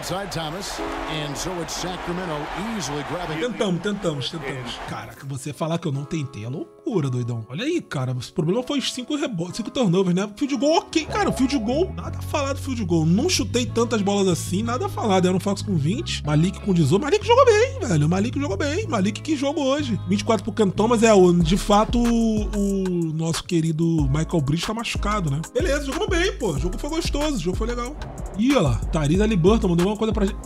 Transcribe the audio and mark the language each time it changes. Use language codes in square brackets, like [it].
[en] Thomas, and so it's Sacramento easily grabbing. [pt] Tentamos, tentamos, tentamos. Cara, que você falar que eu não tentei é loucura, doidão. Olha aí, cara, o problema foi os 5 rebotes, 5 turnovers, né? Field goal, ok, cara, field goal, nada a falar do field goal. Não chutei tantas bolas assim, nada a falar. Deram Fox com 20, Malik com 18. Malik jogou bem, velho, Malik jogou bem. Malik que jogou hoje. 24 pro Canton, mas é, de fato, o nosso querido Michael Bridges tá machucado, né? Beleza, jogamos bem, pô. O jogo foi gostoso, o jogo foi legal. Ih, olha lá, Tariz Ali Burton mandou uma coisa pra gente.